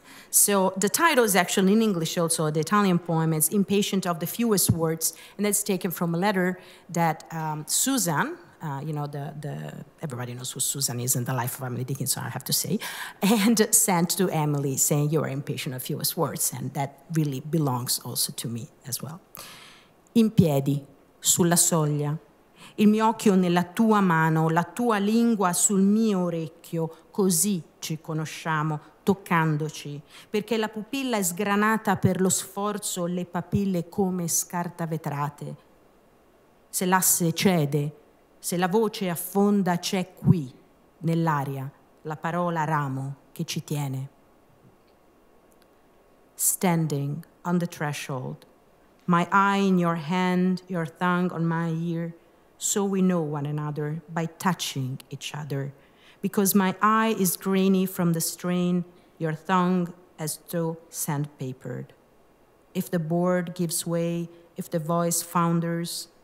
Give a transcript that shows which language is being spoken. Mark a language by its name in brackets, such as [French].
[English] So the title is actually in English also, the Italian poem is Impatient of the Fewest Words, and that's taken from a letter that Susan, you know, the everybody knows who Susan is in the life of Emily Dickinson, I have to say, and sent to Emily saying, you are impatient of fewest words, and that really belongs also to me as well. [Italian] In piedi. Sulla soglia, il mio occhio nella tua mano, la tua lingua sul mio orecchio, così ci conosciamo, toccandoci, perché la pupilla è sgranata per lo sforzo, le papille come scartavetrate. Se l'asse cede, se la voce affonda, c'è qui, nell'aria, la parola ramo che ci tiene. [English] Standing on the threshold, my eye in your hand, your tongue on my ear, so we know one another by touching each other. Because my eye is grainy from the strain, your tongue as though sandpapered. If the board gives way, if the voice founders,